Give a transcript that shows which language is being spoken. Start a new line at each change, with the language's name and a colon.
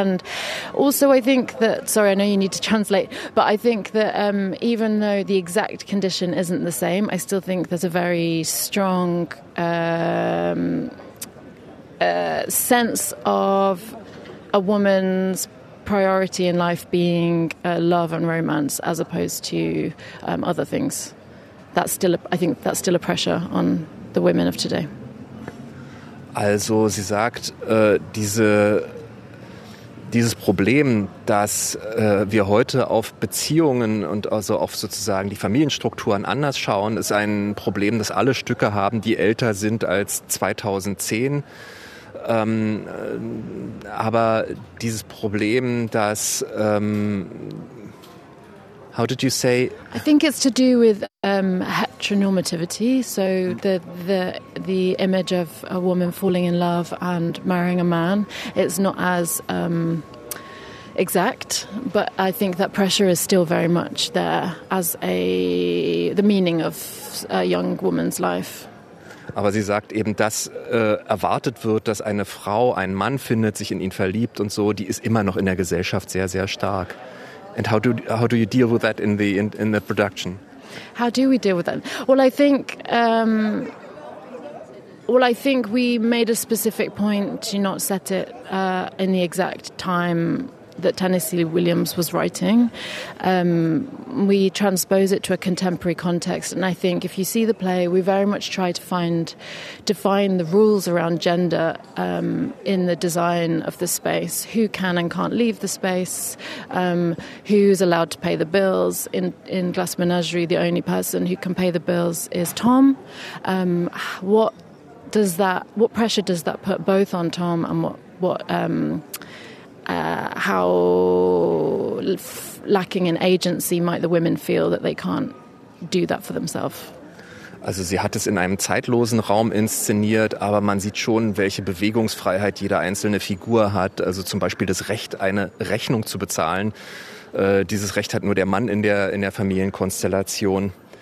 English: And also I think that, sorry, I know you need to translate, but I think that even though the exact condition isn't the same, I still think there's a very strong sense of a woman's priority in life being love and romance as opposed to other things. I think that's still a pressure on the women of today.
German: Also sie sagt, dieses Problem, dass wir heute auf Beziehungen und also auf sozusagen die Familienstrukturen anders schauen, ist ein Problem, das alle Stücke haben, die älter sind als 2010. Aber dieses Problem, dass...
English: How did you say? I think it's to do with heteronormativity. So the image of a woman falling in love and marrying a man, it's not as exact. But I think that pressure is still very much there as the meaning of a young woman's life.
German: Aber sie sagt eben, dass erwartet wird, dass eine Frau einen Mann findet, sich in ihn verliebt und so. Die ist immer noch in der Gesellschaft sehr, sehr stark.
English: And how do you deal with that in the production? How do we deal with that? Well, I think we made a specific point to not set it in the exact time that Tennessee Williams was writing. We transpose it to a contemporary context, and I think if you see the play, we very much try to define the rules around gender in the design of the space. Who can and can't leave the space? Who's allowed to pay the bills? In Glass Menagerie, the only person who can pay the bills is Tom. What pressure does that put both on Tom, and how lacking in agency might the women feel that they can't do that for themselves?
German: Also sie hat es in einem zeitlosen Raum inszeniert, aber man sieht schon, welche Bewegungsfreiheit jede einzelne Figur hat. Also zum Beispiel das Recht, eine Rechnung zu bezahlen. Dieses Recht hat nur der Mann in der Familienkonstellation.